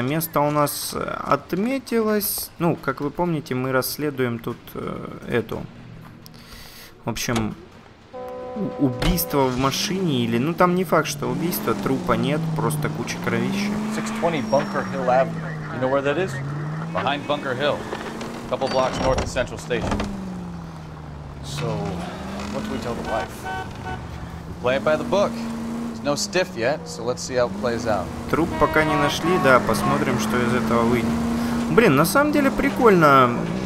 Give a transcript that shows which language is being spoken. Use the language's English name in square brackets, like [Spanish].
[Russian] Место у нас отметилось. Ну, как вы помните, мы расследуем тут эту. В общем, убийство в машине или... Ну, там не факт, что убийство. Трупа нет, просто куча кровища. [English] 620 Bunker Hill Avenue. You know where that is? Behind Bunker Hill. Couple blocks north of Central Station. So, what do we tell the wife? Play it by the book. There's no stiff yet, so let's see how it plays out. [Russian] Труп пока не нашли, да, посмотрим, что из этого выйдет. Блин, на самом деле прикольно.